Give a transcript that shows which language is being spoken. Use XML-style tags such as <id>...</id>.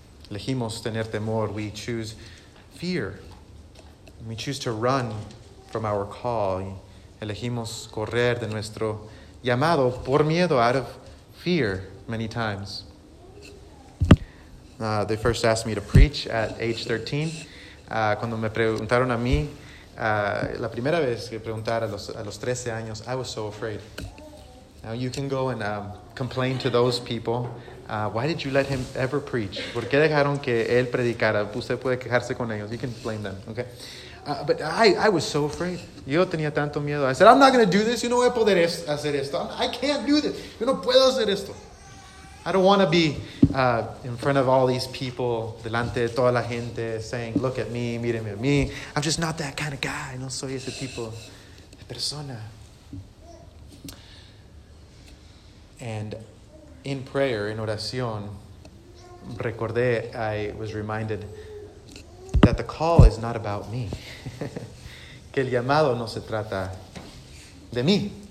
<es>Elegimos tener temor.</es> <en>We choose fear. We choose to run from our call.</en> <es>Elegimos correr de nuestro llamado por miedo,</es> <en>out of fear, many times. They first asked me to preach at age 13.</en> <es>Cuando me preguntaron a mí, la primera vez que preguntara a los 13 años,</es> <en>I was so afraid. Now you can go and complain to those people. Why did you let him ever preach?</en> <es>¿Por qué dejaron que él predicara? Usted puede quejarse con ellos.</es> <en>You can blame them, okay? But I was so afraid.</en> <es>Yo tenía tanto miedo.</es> <en>I said, I'm not going to do this.</en> <es>Yo no voy a poder hacer esto.</es> <en>I can't do this.</en> <es>Yo no puedo hacer esto.</es> <en>I don't want to be in front of all these people,</en> <es>delante de toda la gente,</es> <en>saying, look at me,</en> <es>míreme a mí.</es> <en>I'm just not that kind of guy.</en> <es>No soy ese tipo de persona.</es> <en>And in prayer, in oración, recordé, I was reminded that the call is not about me.</en> <es>Que el llamado no se trata de mí.</es>